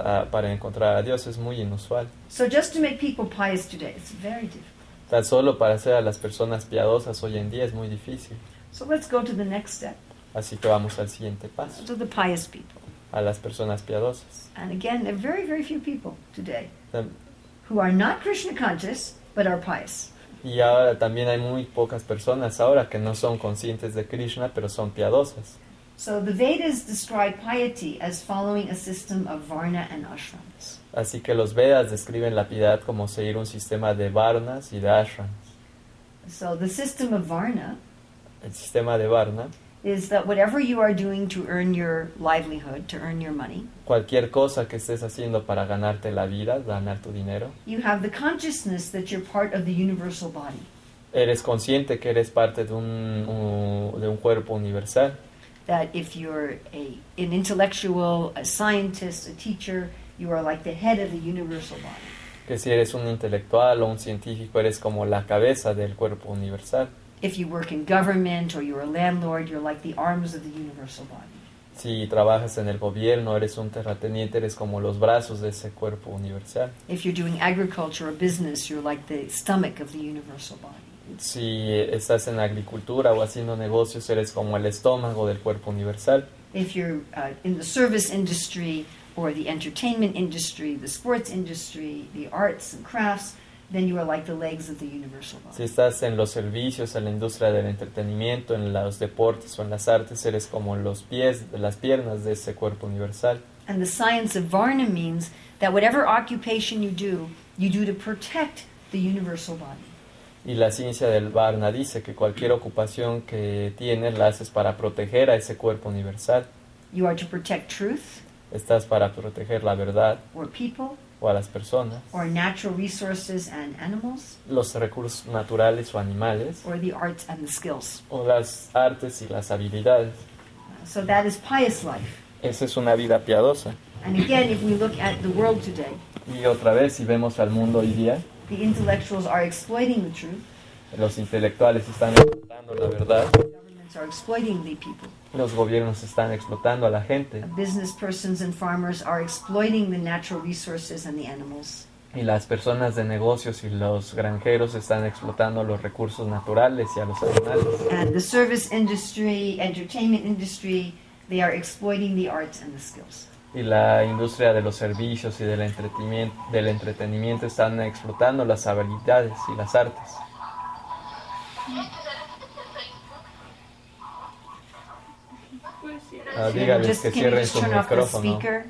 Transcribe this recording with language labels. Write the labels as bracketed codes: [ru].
[es] Para encontrar a Dios es muy inusual. [en] So just to make people pious today, it's very difficult. [es] Tan solo para hacer a las personas piadosas hoy en día es muy difícil. [en] So let's go to the next step. [es] Así que vamos al siguiente paso. [en] To the pious people. [es] A las personas piadosas. [en] And again, there are very, very few people today who are not Krishna conscious but are pious. [es] Y ahora también hay muy pocas personas ahora que no son conscientes de Krishna, pero son piadosas. [en] So the Vedas describe piety as following a system of varna and ashrams. [es] Así que los Vedas describen la piedad como seguir un sistema de varnas y de ashrams. [en] So the system of varna, [es] el sistema de varna, [en] is that whatever you are doing to earn your livelihood, to earn your money, [es] cualquier cosa que estés haciendo para ganarte la vida, ganar tu dinero, [en] you have the consciousness that you're part of the universal body. [es] Eres consciente que eres parte de un cuerpo universal. [en] That if you're an intellectual, a scientist, a teacher, you are like the head of the universal body. [es] Que si eres un intelectual o un científico, eres como la cabeza del cuerpo universal. [en] If you work in government or you're a landlord, you're like the arms of the universal body. [es] Si trabajas en el gobierno, eres un terrateniente, eres como los brazos de ese cuerpo universal. [en] If you're doing agriculture or business, you're like the stomach of the universal body. [es] Si estás en agricultura o haciendo negocios, eres como el estómago del cuerpo universal. [en] If you're in the service industry or the entertainment industry, the sports industry, the arts and crafts, then you are like the legs of the universal body. [es] Si estás en los servicios, en la industria del entretenimiento, en los deportes o en las artes, eres como los pies, las piernas de ese cuerpo universal. [en] And the science of Varna means that whatever occupation you do to protect the universal body. [es] Y la ciencia del Varna dice que cualquier ocupación que tienes la haces para proteger a ese cuerpo universal. [en] You are to protect truth. [es] Estás para proteger la verdad. [en] Or people. [es] O a las personas. [en] Or natural resources and animals. [es] Los recursos naturales o animales. [en] Or the arts and the skills. [es] O las artes y las habilidades. [en] So that is pious life. [es] Esa es una vida piadosa. [en] And again, if we look at the world today. [es] Y otra vez, si vemos al mundo hoy día. [en] The intellectuals are exploiting the truth. [es] Los intelectuales están explotando la verdad. [en] Governments are exploiting the people. [es] Los gobiernos están explotando a la gente. [en] Business persons and farmers are exploiting the natural resources and the animals. [es] Y las personas de negocios y los granjeros están explotando los recursos naturales y a los animales. [en] And the service industry, entertainment industry, they are exploiting the arts and the skills. [es] Y la industria de los servicios y del entretenimiento están explotando las habilidades y las artes. Ah, dígales que cierren su micrófono.